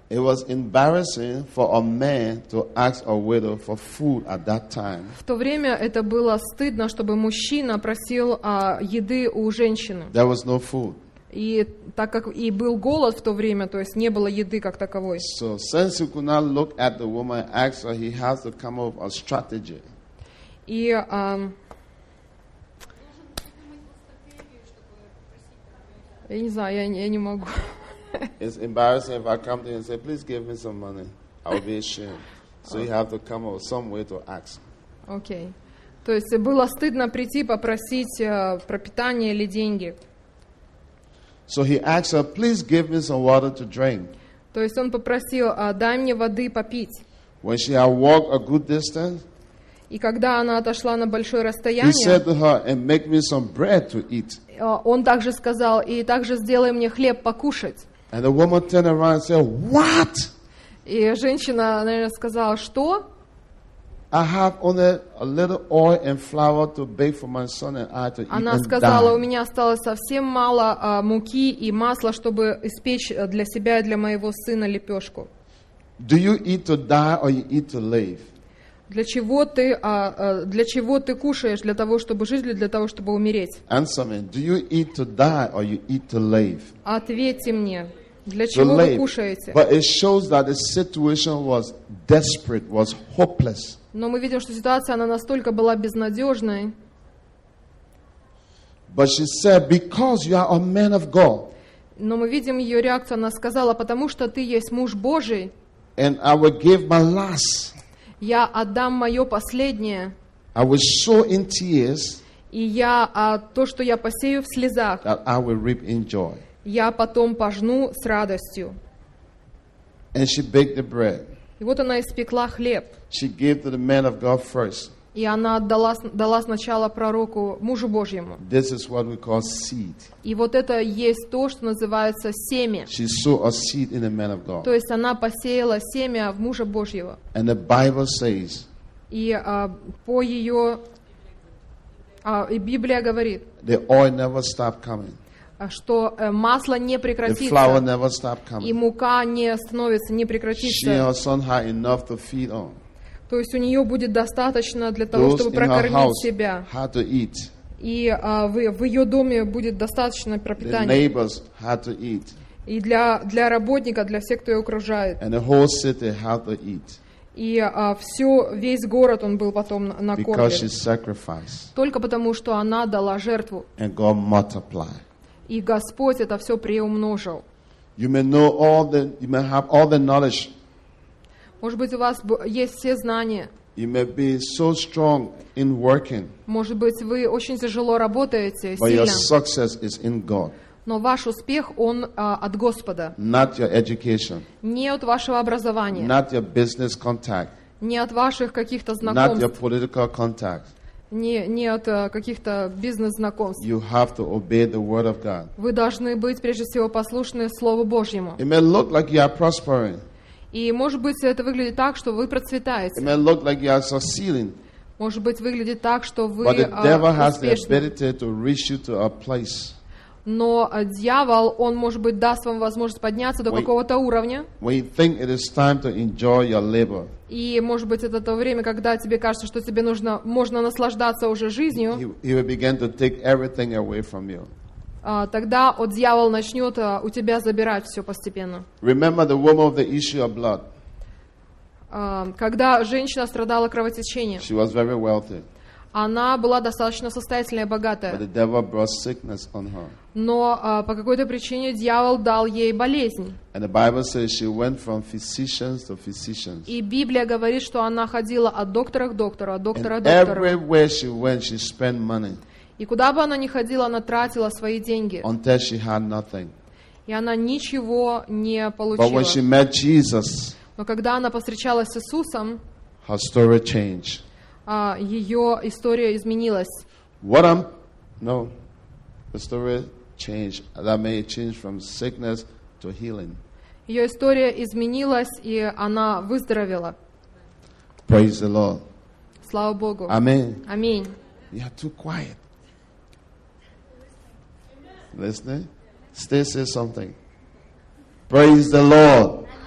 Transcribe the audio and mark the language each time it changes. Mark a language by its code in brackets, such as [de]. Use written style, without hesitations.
[en] It was embarrassing for a man to ask a widow for food at that time. [ru] В то время это было стыдно, чтобы мужчина просил еды у женщины. [en] There was no food. [ru] И так как и был голод в то время, то есть не было еды как таковой. [en] So since he could not look at the woman and ask her, he has to come up with a strategy. [ru] И Я не знаю, я не могу. [en] It's embarrassing if I come to you and say, please give me some money. I would be ashamed. So you have to come up with some way to ask. Okay. [ru] То есть было стыдно прийти попросить про питание или деньги. [en] So he asked her, please give me some water to drink. [ru] То есть он попросил, дай мне воды попить. [en] When she had walked a good distance, [ru] и когда она отошла на большое расстояние, [en] he said to her, and make me some bread to eat. [ru] Он также сказал, и также сделай мне хлеб покушать. [en] And the woman turned around and said, what? [ru] И женщина, наверное, сказала, что? [en] I have only a little oil and flour to bake for my son and I to eat and die. [ru] Она сказала, у меня осталось совсем мало муки и масла, чтобы испечь для себя и для моего сына лепешку. [en] Do you eat to die or you eat to live? [ru] Для чего ты кушаешь? Для того, чтобы жить или для того, чтобы умереть? [en] Answer me. Do you eat to die or you eat to live? [ru] Ответьте мне. Для чего вы кушаете? [en] But it shows that the situation was desperate, was hopeless. [ru] Но мы видим, что ситуация она настолько была безнадежной. [en] But she said, because you are a man of God. [ru] Но мы видим ее реакцию. Она сказала, потому что ты есть муж Божий. [en] And I will give my last. [ru] Я отдам мое последнее. [en] I will sow in tears. [ru] И я то, что я посею в слезах. [en] That I will reap in joy. [ru] Я потом пожну с радостью. [en] And she baked the bread. [ru] И вот она испекла хлеб. [en] She gave to the man of God first. [ru] И она дала сначала пророку, мужу Божьему. [en] This is what we call seed. [ru] И вот это есть то, что называется семя. [en] She sowed a seed in the man of God. [ru] То есть она посеяла семя в мужа Божьего. [en] And the Bible says. [ru] И по ее и Библия говорит. [en] The oil never stopped coming. [ru] Что масло не прекратится. [en] The flour never stopped coming. [ru] И мука не остановится, не прекратится. [en] She and her son had enough to feed on. [ru] То есть у нее будет достаточно для того, чтобы прокормить себя. [en] Had to eat. [ru] И в ее доме будет достаточно пропитания. [en] Had to eat. [ru] И для работника, для всех, кто ее окружает. [en] And the whole city had to eat. [ru] И весь город он был потом накормлен. [en] Because she sacrificed. [ru] Только потому, что она дала жертву. [en] And God multiplied. [ru] И Господь это все приумножил. [en] You may know all the, you may have all the knowledge. [ru] Может быть, у вас есть все знания. [en] You may be so strong in working. [ru] Может быть, вы очень тяжело работаете, [en] but [ru] сильно. [en] But your success is in God. [ru] Но ваш успех, он от Господа. [en] Not your education. [ru] Не от вашего образования. [en] Not your business contact. [ru] Не от ваших каких-то знакомств. [en] Not your political contact. [ru] Не от каких-то бизнес-знакомств. [en] You have to obey the word of God. [ru] Вы должны быть, прежде всего, послушны Слову Божьему. [en] It may look like you are prospering. [ru] И, может быть, это выглядит так, что вы процветаете. [en] It may look like you are succeeding. [ru] Может быть, выглядит так, что вы [en] But the devil has the ability to reach you to a place. [ru] Но дьявол, он, может быть, даст вам возможность подняться до какого-то уровня. [en] When you think it is time to enjoy your labor. [ru] И, может быть, это то время, когда тебе кажется, что тебе нужно, можно наслаждаться уже жизнью. [en] He will begin to take everything away from you. [ru] Тогда вот дьявол начнет у тебя забирать все постепенно. [en] Remember the woman with the issue of blood. [ru] Когда женщина страдала кровотечением, [en] she was very wealthy. [ru] Она была достаточно состоятельная и богатая. [en] But the devil brought sickness on her. [ru] Но по какой-то причине дьявол дал ей болезнь. [en] And the Bible says she went from physicians to physicians. [ru] И Библия говорит, что она ходила от доктора к доктору, от доктора к доктору. [en] Everywhere she went, she spent money. [ru] И куда бы она ни ходила, она тратила свои деньги. [en] Until she had nothing. [ru] И она ничего не получила. [en] But when she met Jesus, [ru] но когда она повстречалась с Иисусом, [en] her story changed. [ru] Ее история изменилась. [en] What I'm, no, the story changed. That made a change from sickness to healing. [ru] Ее история изменилась, и она выздоровела. [en] Praise the Lord. [ru] Слава Богу. [en] Amen. Amen. You are too quiet. Listening? Stay, say something. Praise the Lord.